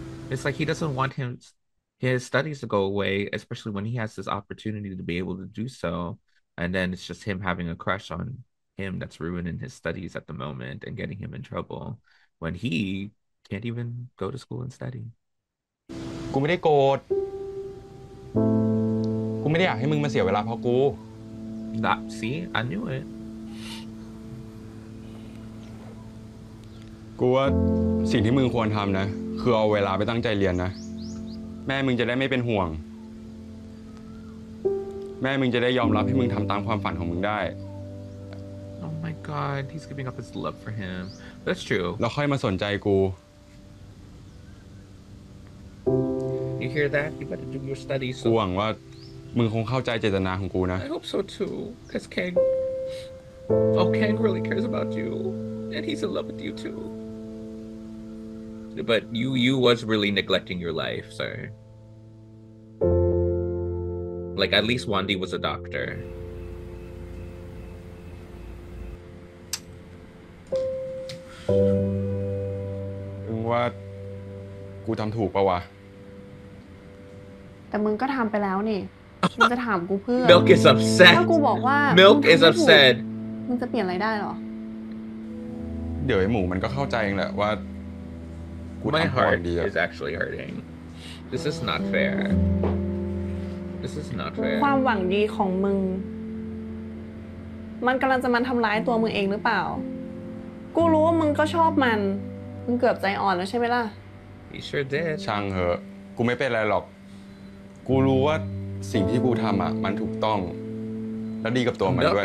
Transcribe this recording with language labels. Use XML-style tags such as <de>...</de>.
<en>It's like he doesn't want his studies to go away, especially when he has this opportunity to be able to do so. And then it's just him having a crush on him that's ruining his studies at the moment and getting him in trouble when he can't even go to school and study. I'm not angry.</en> <th>กูไม่ได้อยากให้มึงมาเสียเวลาเพราะกู</th> <en>That see I knew it</en> <th>กูว่าสิ่งที่มึงควรทำนะคือเอาเวลาไปตั้งใจเรียนนะแม่มึงจะได้ไม่เป็นห่วงแม่มึงจะได้ยอมรับให้มึงทำตามความฝันของมึงได้</th> <en>Oh my god he's giving up his love for him That's true</en> <th>แล้วค่อยมาสนใจกู</th> <en>You hear that you better do your studies</en> <th>หวังว่ามึงคงเข้าใจเจตนาของกูนะ</th> <en>I hope so too cause Kang oh Kang really cares about you and he's in love with you too but you was really neglecting your life sir like at least Wandy was a doctor.</en> <th>มึงว่ากูทำถูกปะวะ แต่มึงก็ทำไปแล้วนี่มึงจะถามกูเพื่อ</th> <en>Milk is upset</en> <th>ถ้ากูบอกว่า</th> <en>Milk is upset</en> <th>มึงจะเปลี่ยนอะไรได้หรอ เดี๋ยวไอ้หมูมันก็เข้าใจเองแหละว่ากูทำ พอ ดี</th> <en>is actually hurting this is not fair this is not fair</en> <th>ความหวังดีของมึงมันกำลังจะมาทำร้ายตัวมึงเองหรือเปล่ากูรู้ว่ามึงก็ชอบมันมึงเกือบใจอ่อนแล้วใช่ไหมล่ะ</th> <en>he sure did</en> <th>ช่างเหอะกูไม่เป็นไรหรอกกูรู้ว่าสิ่งที่กูทำอ่ะมันถูกต้องแล้วดีกับตัวมันด้วย</th>